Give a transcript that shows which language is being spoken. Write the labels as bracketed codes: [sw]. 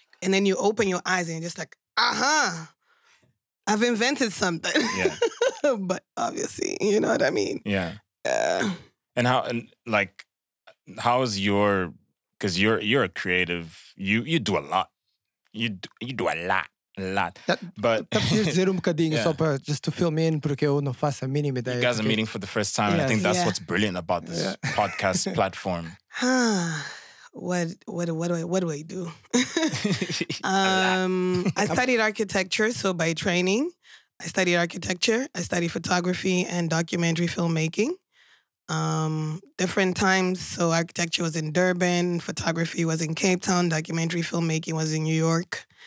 [en] And then you open your eyes and you're just like, I've invented something. Yeah. But obviously, you know what I mean? Yeah. And how, and like, how is your, because you're a creative, you do a lot. You do a lot. Just to fill me in, [pt] porque eu não faço a mínima ideia. [en] You guys are meeting for the first time. Yes. I think that's what's brilliant about this podcast platform. What do I do? I studied architecture, so by training, I studied architecture. I studied photography and documentary filmmaking. Different times, so architecture was in Durban, photography was in Cape Town, documentary filmmaking was in New York.